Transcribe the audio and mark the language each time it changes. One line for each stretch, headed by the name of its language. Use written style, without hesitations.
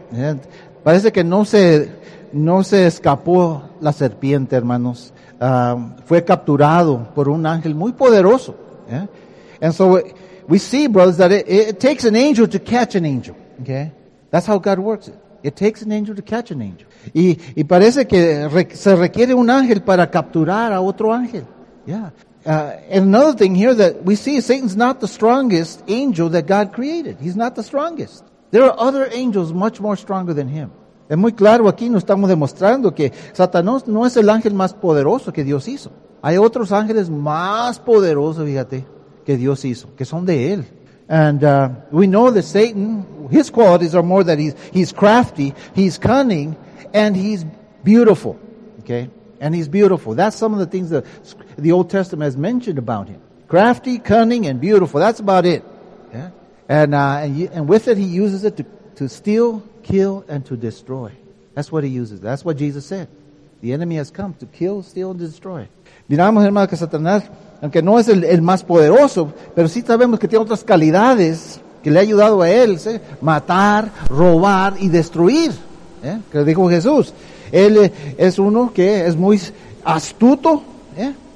English: And
Spanish: parece que no se escapó la serpiente, hermanos. Fue capturado por un ángel muy poderoso.
English: Yeah? And so we see, brothers, that it takes an angel to catch an angel, okay? That's how God works it. It takes an angel to catch an angel.
Spanish: Y parece que se requiere un ángel para capturar a otro ángel.
English: Yeah. And another thing here that we see is Satan's not the strongest angel that God created. He's not the strongest. There are other angels much more stronger than him.
Spanish: Es muy claro aquí, nos estamos demostrando que Satanás no es el ángel más poderoso que Dios hizo. Hay otros ángeles más poderosos, fíjate, que Dios hizo, que son de él.
English: And we know that Satan, his qualities are more that he's crafty, he's cunning, and he's beautiful. Okay? And he's beautiful. That's some of the things that the Old Testament has mentioned about him. Crafty, cunning, and beautiful. That's about it. Yeah? And with it, he uses it to steal, kill, and to destroy. That's what he uses. That's what Jesus said. The enemy has come to kill, steal, and destroy.
Spanish: Miramos, hermano, que Satanás, aunque no es el más poderoso, pero sí sabemos que tiene otras cualidades que le ha ayudado a él, ¿sí? Matar, robar y destruir. ¿Eh? Que le dijo Jesús. Él es uno que es muy astuto, ¿eh?